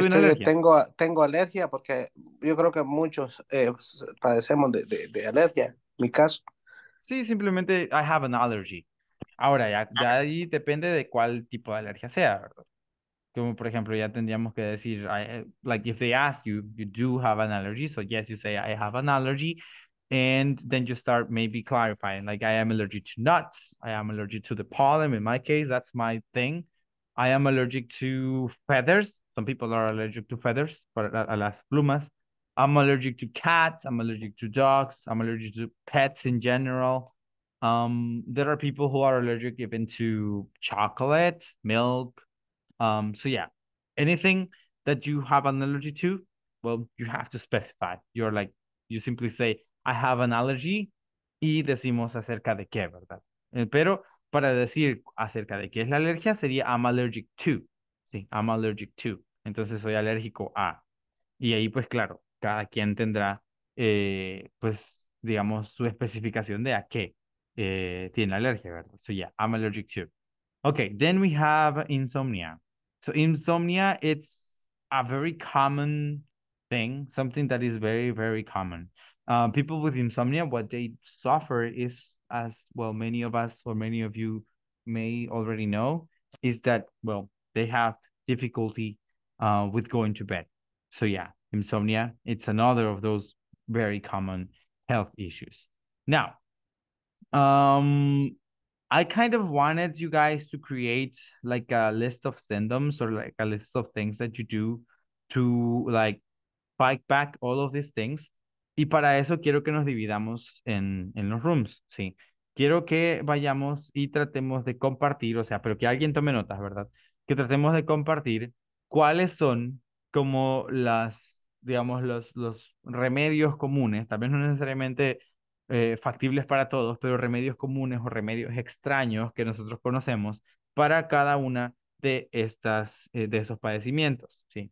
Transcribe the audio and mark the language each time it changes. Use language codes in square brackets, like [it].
[es] tuve una alergia. tengo alergia porque yo creo que muchos padecemos de alergia, mi caso. Sí, simplemente [en] I have an allergy. [es] Ahora, ya ahí depende de cuál tipo de alergia sea, ¿verdad? Como por ejemplo, ya tendríamos que decir, [en] like if they ask you, you do have an allergy. So, yes, you say, I have an allergy. And then you start maybe clarifying, like I am allergic to nuts. I am allergic to the pollen. In my case, that's my thing. I am allergic to feathers. Some people are allergic to feathers, [es] a las plumas. [en] I'm allergic to cats. I'm allergic to dogs. I'm allergic to pets in general. There are people who are allergic even to chocolate, milk. So yeah, anything that you have an allergy to, well, you have to specify. You're like, you simply say, I have an allergy, [es] y decimos acerca de qué, ¿verdad? Pero para decir acerca de qué es la alergia, sería [en] I'm allergic to. [es] Sí, [en] I'm allergic to. [es] Entonces, soy alérgico a. Y ahí, pues claro, cada quien tendrá, pues, digamos, su especificación de a qué tiene alergia, ¿verdad? [en] So, yeah, I'm allergic to. Okay, then we have insomnia. So, insomnia, it's a very common thing, something that is very, very common. People with insomnia, what they suffer is, as well, many of us or many of you may already know, is that, well, they have difficulty with going to bed. So, yeah, insomnia, it's another of those very common health issues. Now, I kind of wanted you guys to create like a list of symptoms or like a list of things that you do to like fight back all of these things. [es] Y para eso quiero que nos dividamos en los rooms, ¿sí? Quiero que vayamos y tratemos de compartir, o sea, pero que alguien tome notas, ¿verdad? Que tratemos de compartir cuáles son como las, digamos, los remedios comunes, tal vez no necesariamente factibles para todos, pero remedios comunes o remedios extraños que nosotros conocemos para cada una de estas, de esos padecimientos, ¿sí?